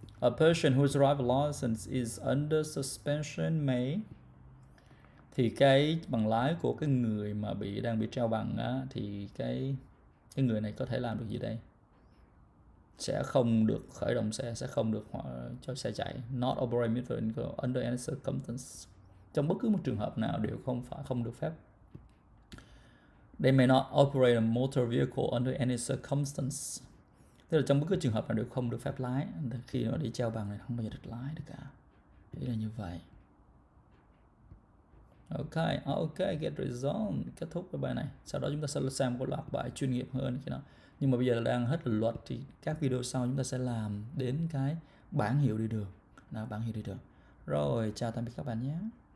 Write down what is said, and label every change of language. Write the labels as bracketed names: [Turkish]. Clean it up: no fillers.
[English] A person whose driver license is under suspension may, [Vietnamese] thì cái bằng lái của cái người mà đang bị treo bằng á, thì cái người này có thể làm được gì đây? Sẽ không được khởi động xe, sẽ không được cho xe chạy. [English] Not operate under any circumstance, [Vietnamese] trong bất cứ một trường hợp nào đều không phải, không được phép. [English] They may not operate a motor vehicle under any circumstance. [Vietnamese] Tức là trong bất cứ trường hợp nào đều không được phép lái, khi nó đi treo bằng này không bao giờ được lái được cả. Ý là như vậy. Ok, [English] get result, [Vietnamese] kết thúc cái bài này. Sau đó chúng ta sẽ xem một loạt bài chuyên nghiệp hơn khi nào. Nhưng mà bây giờ đang hết luật thì các video sau chúng ta sẽ làm đến cái bảng hiệu đi đường. Nào, bảng hiệu đi đường. Rồi, chào tạm biệt các bạn nhé.